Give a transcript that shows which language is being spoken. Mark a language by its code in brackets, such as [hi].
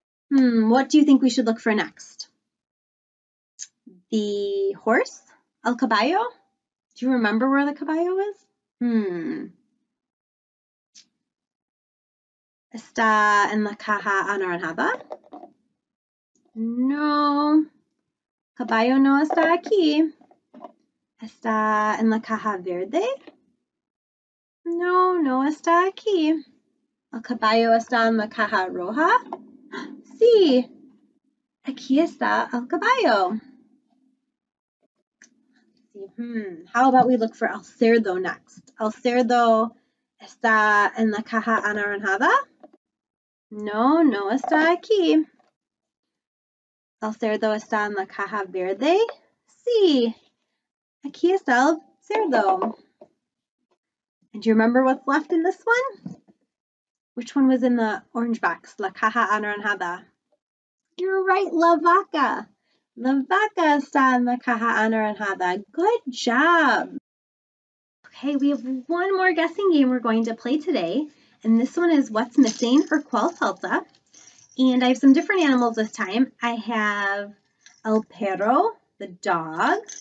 [en] What do you think we should look for next? The horse, el caballo. Do you remember where the caballo is? [es] ¿Está en la caja anaranjada? No. Caballo no está aquí. Está en la caja verde. No, no está aquí. El caballo está en la caja roja. Sí. Aquí está el caballo. [en] How about we look for el cerdo next? [es] El cerdo está en la caja anaranjada. No, no está aquí. El cerdo está en la caja verde. Sí. Aquí está el cerdo. [en] And do you remember what's left in this one? Which one was in the orange box? [es] La caja anaranjada. [en] You're right, [es] la vaca. La vaca está en la caja anaranjada. [en] Good job. Okay, we have one more guessing game we're going to play today. And this one is What's Missing or Cuál Falta. And I have some different animals this time. I have el perro, the dog.